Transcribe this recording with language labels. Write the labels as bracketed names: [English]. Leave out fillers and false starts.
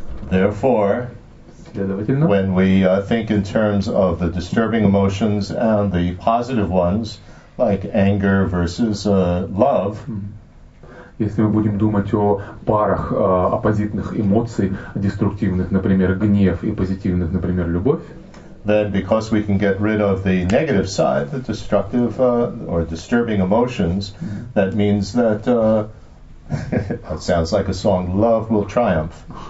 [English] Therefore, when we think in terms of the disturbing emotions and the positive ones, like anger versus love, [Russian] если мы будем думать о парах оппозитных эмоций, деструктивных, например, гнев, и позитивных, например, любовь, [English] then because we can get rid of the negative side, the destructive or disturbing emotions, that means that that sounds like a song, love will triumph.